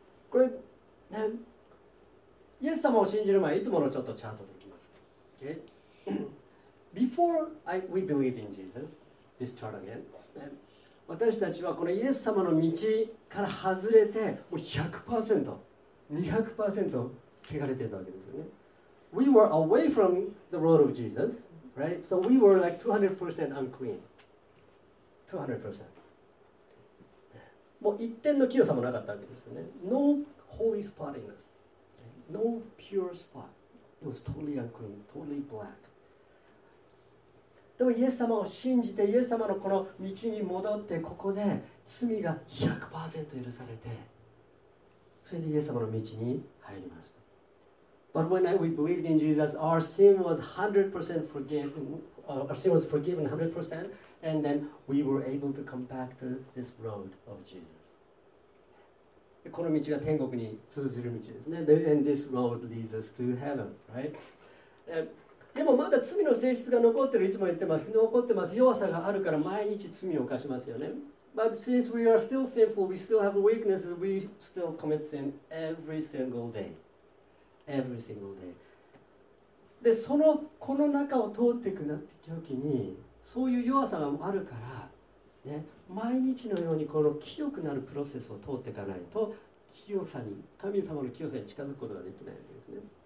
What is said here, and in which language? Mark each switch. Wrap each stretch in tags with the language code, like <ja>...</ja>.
<ja>これ、ね、イエス様を信じる前、いつものちょっとチャートでいきます。</ja> <en>Okay? Before we believe in Jesus, this chart again,、</en> <ja>ね、私たちはこのイエス様の道から外れて、もう 100%、200% 汚れてたわけですよね。</ja> <en>We were away from the road of Jesus. right? So we were like 200% unclean. 200%.</en> <ja>もう一点の清さもなかったわけですよね。</ja> <en>No holy spot in us. No pure spot. It was totally unclean, totally black.</en> <ja>でもイエス様を信じてイエス様のこの道に戻ってここで罪が 100% 許されてそれでイエス様の道に入りました。</ja> <en>But when we believed in Jesus, our sin was 100% forgiven. Our sin was forgiven 100%, and then we were able to come back to this road of Jesus.</en> <ja>この道が天国に通ずる道ですね。</ja> <en>And this road leads us to heaven, right?</en> <ja>でもまだ罪の性質が残ってる、いつも言ってます。残ってます。弱さがあるから毎日罪を犯しますよね。</ja> <en>But since we are still sinful, we still have weaknesses, we still commit sin every single day. Every single day.</en> <ja>で、その、この中を通っていくなって時に、そういう弱さがあるから、ね、毎日のようにこの清くなるプロセスを通っていかないと、清さに、神様の清さに近づくことができないんですね。</ja>